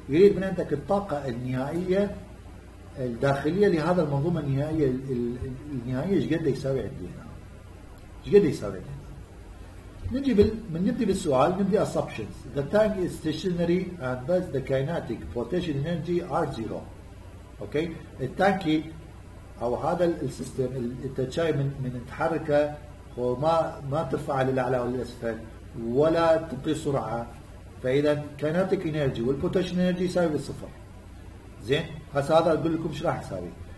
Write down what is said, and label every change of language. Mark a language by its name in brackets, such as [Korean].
[Arabic] يريد من عندك الطاقة النهائية الداخلية لهذا المنظومة النهائية النهائية ايش قد يساوي عندي هنا؟ ايش قد يساوي عندي هنا؟ نجي بال من نبدي بالسؤال نبدي assumptions. [English] The tank is stationary and thus the kinetic potential energy are zero. Okay. [Arabic] التانكي أو هذا السيستم التشاي من تحركه وما ما ترفع للأعلى والأسفل ولا تبقي سرعة. فإذا kinetic energy والpotential energy يساوي صفر. زين. هسا هذا أقول لكم شو راح يساوي.